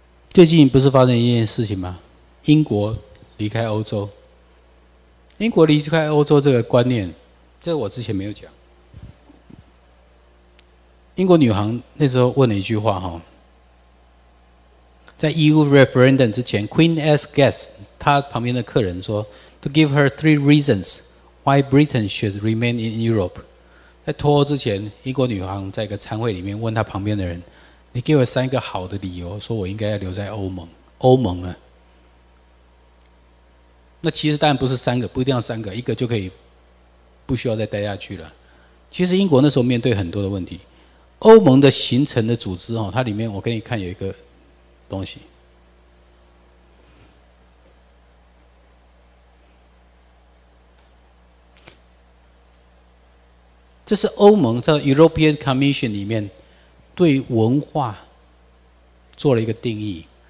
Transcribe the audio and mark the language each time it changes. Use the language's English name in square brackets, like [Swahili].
[Chinese] 最近不是发生一件事情吗？英国离开欧洲，英国离开欧洲这个观念，这个我之前没有讲。英国女皇那时候问了一句话哈，在 [English] EU referendum [Chinese] 之前 [English] ，Queen asked guests [Chinese] 她旁边的客人说 [English] ，to give her three reasons why Britain should remain in Europe。 [Chinese] 在脱欧之前，英国女皇在一个餐会里面问她旁边的人：“你给我三个好的理由，说我应该要留在欧盟。” 欧盟啊。那其实当然不是三个，不一定要三个，一个就可以不需要再待下去了。其实英国那时候面对很多的问题，欧盟的形成的组织哦，它里面我给你看有一个东西，这是欧盟的 European Commission 里面对文化做了一个定义。